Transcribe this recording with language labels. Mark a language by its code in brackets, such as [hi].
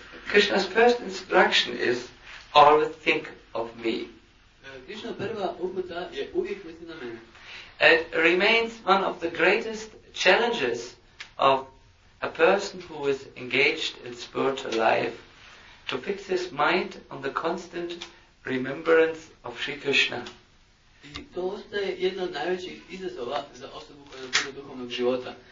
[en] Krishna's first instruction is always think of me. [hr] Krishna prva uputa je uvijek misli na mene. [en] It remains one of the greatest challenges of a person who is engaged in spiritual life to fix his mind on the constant remembrance of Sri Krishna. [hr] I to ostaje jedna od najvećih izazova za osobu koja je na putu duhovnog života,